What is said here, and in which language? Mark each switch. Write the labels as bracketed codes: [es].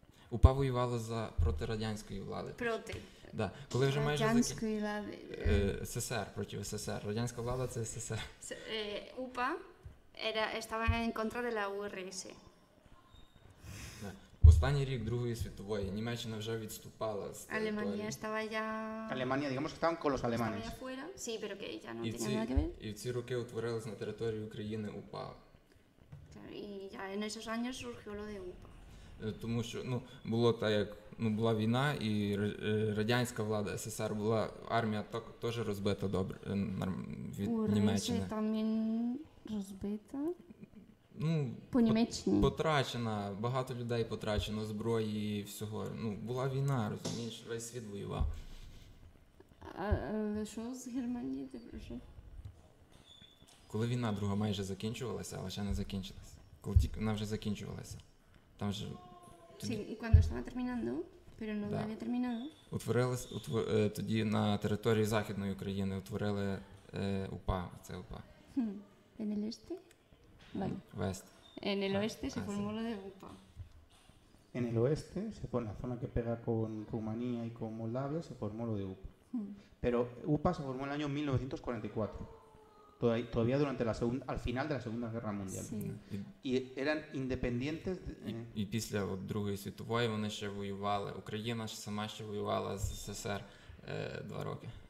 [uk] УПА воювала за проти радянської влади. Проти. Да. Коли вже майже радянської влади. СССР проти СССР. Радянська влада – це СССР. [es] УПА estaba en contra de la URSS. [uk] Останній рік Другої світової Німеччина вже відступала з Алемания території. [es] Estaba ya... Alemania, digamos que estaban con los alemanes. Estaba ya fuera, sí, pero que ya no tenía nada que ver. [uk] І в ці роки утворилась на території України УПА. [es] Claro, y ya en esos años surgió lo de УПА. [uk] Тому що, ну, було так, як, ну, була війна, і радянська влада СССР була, армія теж розбита добре від УРСС Німеччини. УРСС тамін розбита? Ну, по Німеччині. Потрачена, багато людей потрачено, зброї і всього. Ну, була війна, розумієш, весь світ воював. А що з Германії, ти вже? Коли війна друга майже закінчувалася, але ще не закінчилася. Коли тільки вона вже закінчувалася. Там же... [es] Sí, y cuando estaba terminando, pero no había terminado. [uk] Тоді на території Західної України утворили УПА, це УПА. [es] En el este? [en] West. [es] En el oeste se formó lo de UPA. En el oeste, la zona que pega con Rumanía y con Moldavia, se formó lo de UPA. Pero UPA se formó en el año 1944. Todavía durante la segunda, al final de la Segunda Guerra Mundial. Sí. Y eran independientes. [uk] Y після Другої світової вони ще воювали. Україна ж сама ще воювала з СССР два роки.